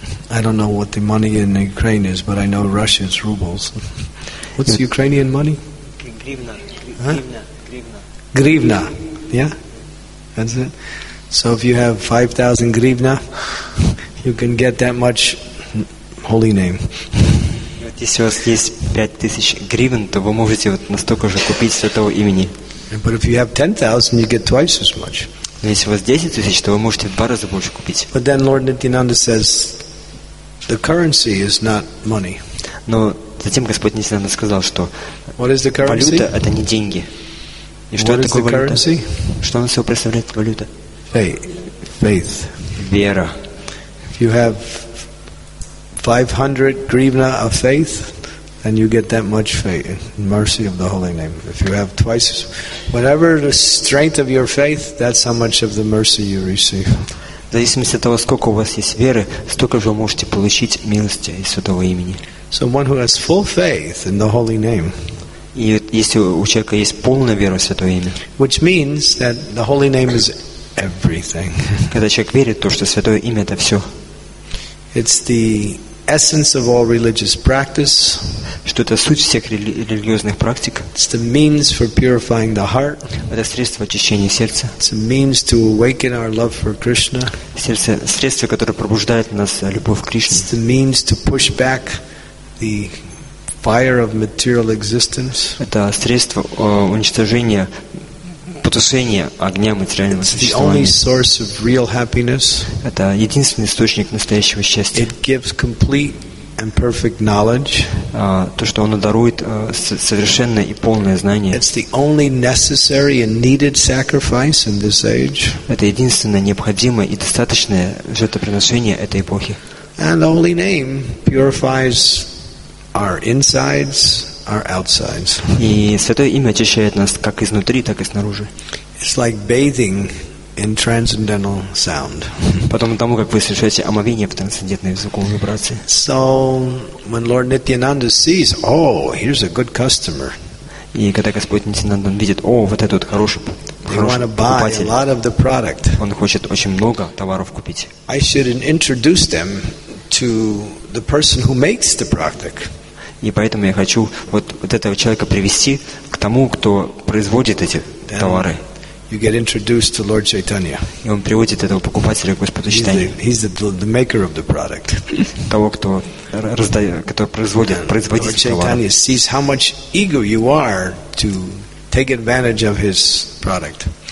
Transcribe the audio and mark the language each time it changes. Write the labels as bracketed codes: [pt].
[en] I don't know what the money in Ukraine is, but I know Russia is rubles. What's Ukrainian money? Grivna. Huh? Grivna. Yeah? That's it? So if you have 5,000 grivna, you can get that much holy name. [ru] Если у вас есть 5,000 гривен, то вы можете вот настолько же купить святого имени. [en] But if you have 10,000, you get twice as much. [ru] Если у вас 10,000, то вы можете в два раза больше купить. [en] But then Lord Nityananda says, the currency is not money. [ru] Но затем Господь Нитинанда сказал, что валюта это не деньги. И что [en] what [ru] такое [en] is the [ru] валюта? [en] Currency? [ru] Что она собой представляет валюта? [en] Faith. [ru] Вера. [en] If you have 500 гривна of faith, then you get that much faith, mercy of the holy name. If you have twice, whatever the strength of your faith, that's how much of the mercy you receive. [ru] В зависимости от того, сколько у вас есть веры, столько же вы можете получить милости из святого имени. [en] So one who has full faith in the holy name. [ru] И если у человека есть полная вера в святое имя. [en] Which means that the holy name is everything. [ru] Когда человек верит в то, что святое имя это все. [en] It's the essence of all religious practice. [ru] Что это суть всех религиозных практик. [en] It's the means for purifying the heart. [ru] Это средство очищения сердца. [en] It's a means to awaken our love for Krishna. [ru] Сердце, средство, которое пробуждает в нас любовь к Кришне. [en] It's the means to push back the fire of material existence. [ru] Это средство уничтожения, потушения огня материального существования. [en] It's the only source of real happiness. [ru] Это единственный источник настоящего счастья. [en] It gives complete and perfect knowledge. [ru] То, что оно дарует совершенное и полное знание. [en] It's the only necessary and needed sacrifice in this age. [ru] Это единственное необходимое и достаточное жертвоприношение этой эпохи. [en] And the holy name purifies our insides, our outsides. [ru] И святое имя очищает нас как изнутри, так и снаружи. [en] It's like bathing in transcendental sound. [ru] Потом тому, как вы совершаете омовение в трансцендентной звуковой вибрации. [en] So when Lord Nityananda sees, oh, here's a good customer. [ru] И когда Господь Нитинанда видит, о, вот этот хороший покупатель. [en] A lot of the product. [ru] Он хочет очень много товаров купить. [en] I should introduce them to the person who makes the product. [ru] И поэтому я хочу вот этого человека привести к тому, кто производит эти [en] then [ru] товары. [en] You get introduced to Lord Chaitanya. [ru] И он приводит этого покупателя к Господу Чайтанье. [en] He's the maker of the product. [ru] Того, кто раздает, кто производит, производитель товара. [en] Lord Chaitanya sees how much eager you are to take advantage of his product.